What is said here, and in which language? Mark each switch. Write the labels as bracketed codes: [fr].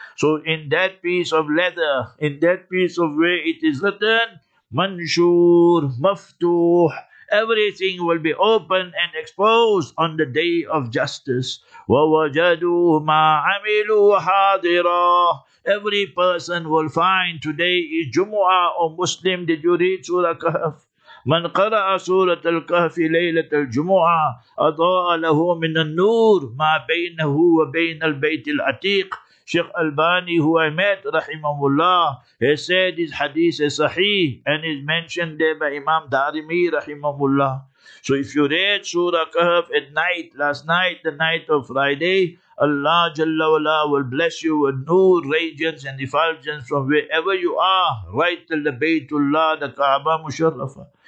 [en] So in that piece of leather, in that piece of where it is written, manshur, maftuh. Everything will be open and exposed on the day of justice. [ar] Wa wajadu ma amilu hadira. [en] Every person will find today is Jumu'ah, O Muslim, did you read Surah Kahf? [ar] من قرأ سورة الكهف ليلة الجمعة أضاء له من النور ما بينه وبين البيت العتيق. [en] Sheikh Albani, who I met, rahimahullah, he said his hadith is sahih and is mentioned there by Imam Darimi, rahimahullah. So if you read Surah Kahf at night, last night, the night of Friday, Allah Jalla Wala will bless you with nur, radiance and effulgence from wherever you are, right till the Baytullah, the Kaaba Musharrafa.